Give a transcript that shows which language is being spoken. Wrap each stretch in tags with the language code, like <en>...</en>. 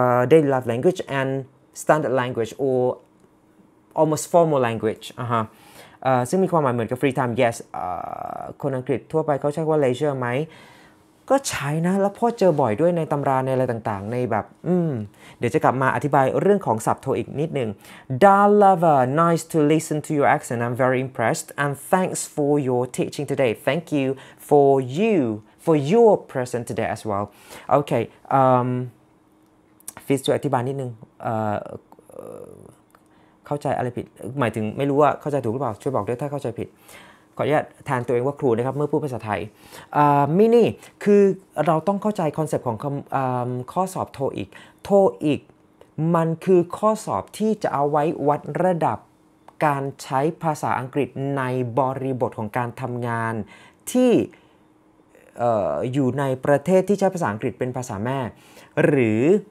<en>daily life language and standard language or almost formal language</en> <th>อ่าฮะซึ่งมีความหมายเหมือนกับ free time yes คนอังกฤษทั่วไปเขาใช้ว่า leisure ไหมก็ใช้นะแล้วพอเจอบ่อยด้วยในตำราในอะไรต่างๆในแบบเดี๋ยวจะกลับมาอธิบายเรื่องของศัพท์โทอีกนิดนึง</th> <en>Dear lover, nice to listen to your accent. I'm very impressed and thanks for your teaching today. Thank you for your present today as well.</en> <th>Okay, ฟิสช่วยอธิบายนิดนึงเข้าใจอะไรผิดหมายถึงไม่รู้ว่าเข้าใจถูกหรือเปล่าช่วยบอกด้วยถ้าเข้าใจผิดขออนุญาตแทนตัวเองว่าครูนะครับเมื่อพูดภาษาไทย มินี่คือเราต้องเข้าใจคอนเซปต์ของข้อสอบTOEIC TOEIC มันคือข้อสอบที่จะเอาไว้วัดระดับการใช้ภาษาอังกฤษในบริบทของการทำงานที่อยู่ในประเทศที่ใช้ภาษาอังกฤษเป็นภาษาแม่หรือ</th>